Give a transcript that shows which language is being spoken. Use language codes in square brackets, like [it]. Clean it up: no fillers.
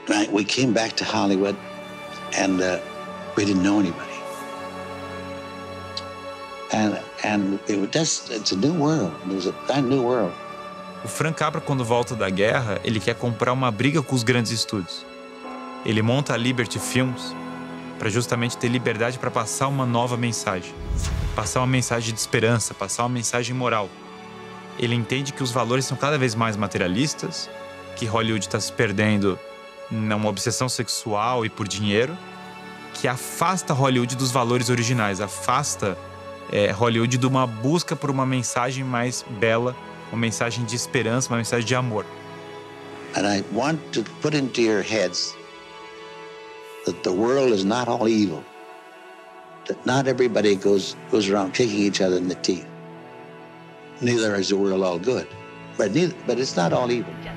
[en] We came back to Hollywood and we didn't know anybody. And it was just, it's a new world. It was a brand new world. [pt] O Frank Capra, quando volta da guerra, ele quer comprar uma briga com os grandes estúdios. Ele monta a Liberty Films para justamente ter liberdade para passar uma nova mensagem. Passar uma mensagem de esperança, passar uma mensagem moral. Ele entende que os valores são cada vez mais materialistas, que Hollywood está se perdendo numa obsessão sexual e por dinheiro, que afasta Hollywood dos valores originais, afasta Hollywood de uma busca por uma mensagem mais bela, uma mensagem de esperança, uma mensagem de amor. [en] And I want to put into your heads that the world is not all evil, that not everybody goes around kicking each other in the teeth. Neither is the world all good, but it's not all evil.